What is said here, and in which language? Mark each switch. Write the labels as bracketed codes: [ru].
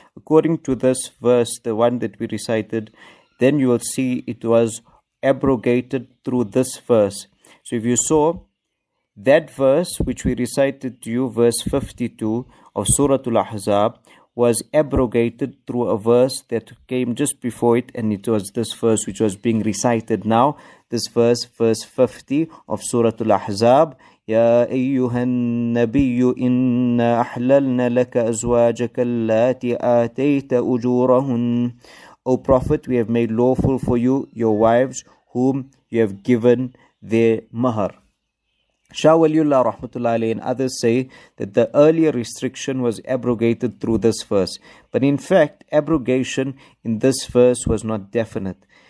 [en] According to this verse, the one that we recited, then you will see it was abrogated through this verse. So if you saw that verse, which we recited to you, verse 52 of Surah Al-Ahzab, was abrogated through a verse that came just before it, and it was this verse which was being recited now. This verse, verse 50 of Surah Al-Ahzab. [ar] يا أيها النبي إن أحللنا لك أزواجك اللاتي آتيت أجورهن. [en] O Prophet, we have made lawful for you your wives whom you have given their mahar. Shah Waliullah Rahmatullah Alayhi and others say that the earlier restriction was abrogated through this verse. But in fact, abrogation in this verse was not definite.